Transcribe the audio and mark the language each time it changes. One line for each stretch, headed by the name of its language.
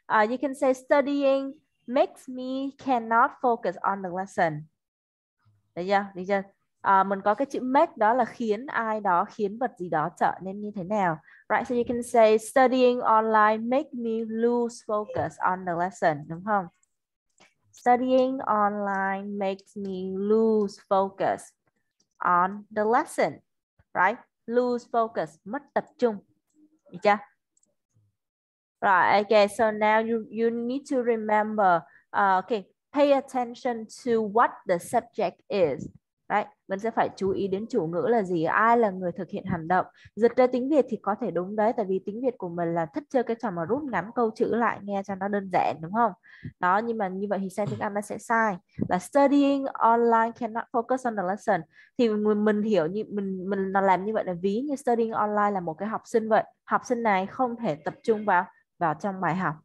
English: You can say studying makes me cannot focus on the lesson.
Vietnamese: Đấy chưa? Đấy chưa? Mình có cái chữ make đó là khiến ai đó, khiến vật gì đó trở nên như thế nào.
English: Right, so you can say studying online make me lose focus on the lesson,
Vietnamese: đúng không?
English: Studying online makes me lose focus on the lesson. Right? Lose focus,
Vietnamese: mất tập trung. Được chưa?
English: Right, okay, so now you need to remember, okay, pay attention to what the subject is.
Vietnamese: Right, mình sẽ phải chú ý đến chủ ngữ là gì, ai là người thực hiện hành động. Dịch ra tiếng Việt thì có thể đúng đấy, tại vì tiếng Việt của mình là thích chơi cái trò mà rút ngắn câu chữ lại nghe cho nó đơn giản, đúng không? Đó, nhưng mà như vậy thì sang tiếng Anh nó sẽ sai.
English: Là studying online cannot focus on the lesson.
Vietnamese: Thì mình hiểu như mình làm như vậy là ví như
English: studying online
Vietnamese: là một cái học sinh vậy. Học sinh này không thể tập trung vào trong bài học.